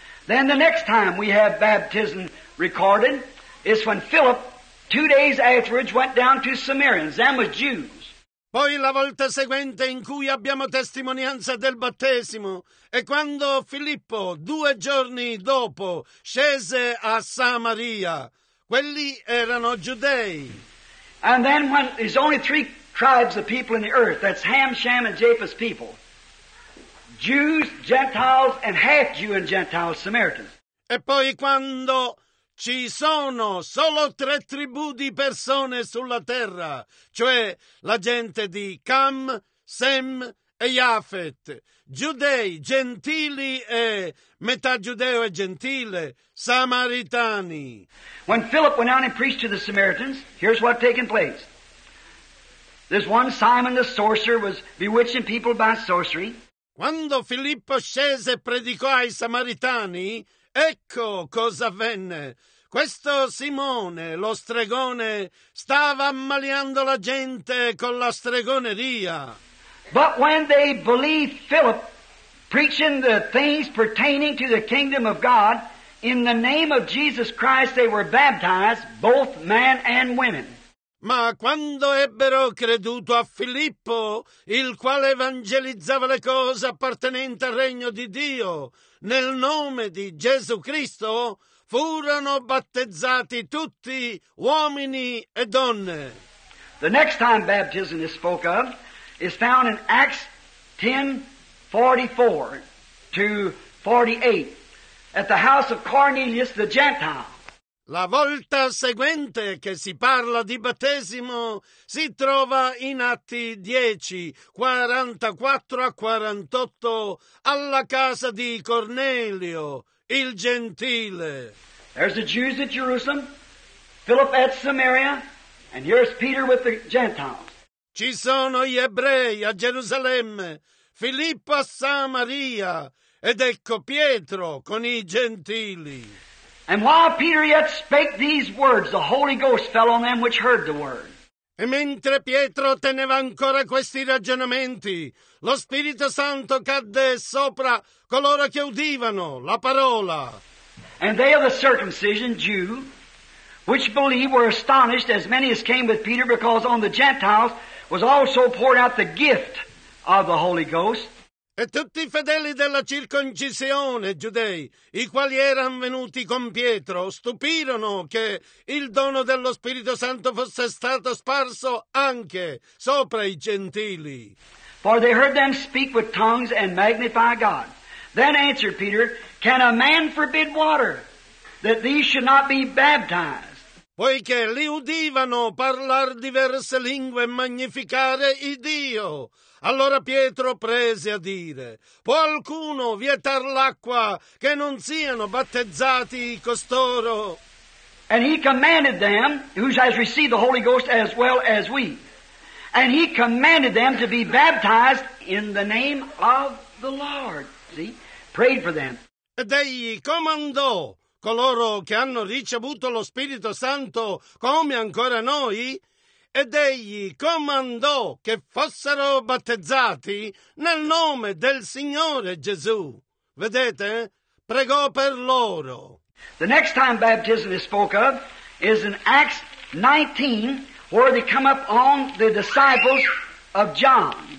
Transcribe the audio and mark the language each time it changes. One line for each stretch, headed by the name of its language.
English: Then the next time we have baptism recorded is when Philip, 2 days afterwards, went down to Samaritans, them was Jews.
Italian: Poi la volta seguente in cui abbiamo testimonianza del battesimo è quando Filippo, 2 giorni dopo, scese a Samaria. Quelli erano giudei.
English: And then when there's only 3 tribes of people in the earth, that's Ham, Shem, and Japheth's people, Jews, Gentiles, and half-Jew and Gentiles, Samaritans.
Italian: E poi quando ci sono solo 3 tribù di persone sulla terra, cioè la gente di Cam, Sem e Japheth, giudei, gentili e metà giudeo e gentile, samaritani.
English: When Philip went out and preached to the Samaritans, here's what taken place. This one Simon the sorcerer was bewitching people by sorcery.
Italian: Quando Filippo scese e predicò ai samaritani, ecco cosa avvenne. Questo Simone, lo stregone, stava ammaliando la gente con la stregoneria.
English: But when they believed Philip, preaching the things pertaining to the kingdom of God, in the name of Jesus Christ, they were baptized, both man and women.
Italian: Ma quando ebbero creduto a Filippo, il quale evangelizzava le cose appartenenti al regno di Dio, nel nome di Gesù Cristo, furono battezzati tutti, uomini e donne.
English: The next time baptism is spoken of is found in Acts 10:44 to 48. at the house of Cornelius the Gentile.
Italian: La volta seguente che si parla di battesimo si trova in Atti 10, 44 a 48, alla casa di Cornelio, il gentile.
English: There's the Jews at Jerusalem, Philip at Samaria, and here's Peter with the Gentiles.
Italian: Ci sono gli ebrei a Gerusalemme, Filippo a Samaria, ed ecco Pietro con i gentili.
English: And while Peter yet spake these words, the Holy Ghost fell on them which heard the word.
Italian: E mentre Pietro teneva ancora questi ragionamenti, lo Spirito Santo cadde sopra coloro che udivano la parola.
English: And they of the circumcision, Jew, which believed, were astonished, as many as came with Peter, because on the Gentiles was also poured out the gift of the Holy Ghost.
Italian: E tutti i fedeli della circoncisione, giudei, i quali erano venuti con Pietro, stupirono che il dono dello Spirito Santo fosse stato sparso anche sopra i gentili.
English: For they heard them speak with tongues and magnify God. Then answered Peter, Can a man forbid water, that these should not be baptized?
Italian: Poiché li udivano parlar diverse lingue e magnificare il Dio. Allora Pietro prese a dire, Può alcuno vietar l'acqua che non siano battezzati costoro?
English: And he commanded them, who has received the Holy Ghost as well as we, and he commanded them to be baptized in the name of the Lord. See, prayed for them.
Italian: Ed egli comandò, coloro che hanno ricevuto lo Spirito Santo come ancora noi, ed egli comandò che fossero battezzati nel nome del Signore Gesù. Vedete? Pregò per loro.
English: The next time baptism is spoke of is in Acts 19, where they come up on the disciples of John.